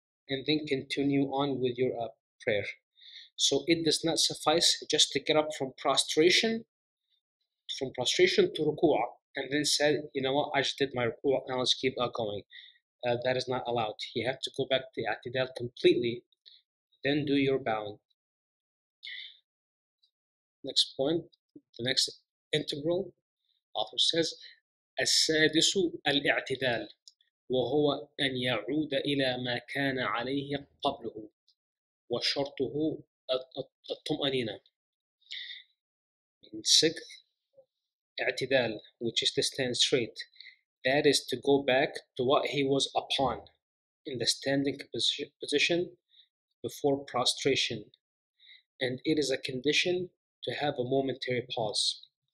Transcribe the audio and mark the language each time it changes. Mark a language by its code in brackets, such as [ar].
[en] and then continue on with your prayer. So it does not suffice just to get up from prostration to ruku'ah, and then said, you know what, I just did my ruku'ah, now let's keep going. That is not allowed. You have to go back to i'tidal completely, then do your bowing. Next point, the next integral, author says, [ar] السادس الاعتدال وهو أن يعود إلى ما كان عليه قبله وشرطه الطمأنينة. [en] In sixth, اعتدال, which is to stand straight. That is to go back to what he was upon in the standing position before prostration. And it is a condition to have a momentary pause.